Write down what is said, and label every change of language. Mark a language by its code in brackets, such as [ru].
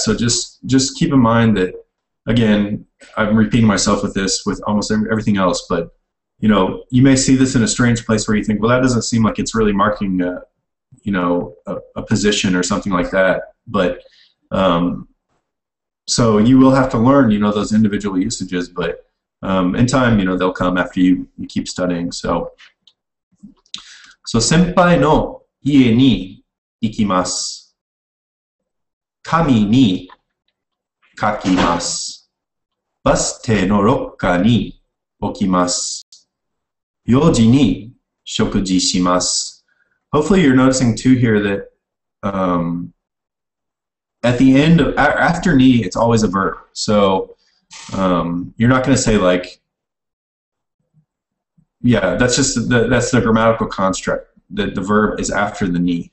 [en] So just keep in mind that, again, I'm repeating myself with this, with almost everything else, but, you know, you may see this in a strange place where you think, well, that doesn't seem like it's really marking, a position or something like that, but, so you will have to learn, you know, those individual usages, but in time, you know, they'll come after you keep studying, so. [ja] So, 先輩の家に行きます。紙に書きます。バス停のロッカーに置きます。 4時に食事します。 [en] Hopefully you're noticing too here that at the end of after ni, it's always a verb. So you're not going to say like, yeah, that's just that's the grammatical construct, that the verb is after the ni.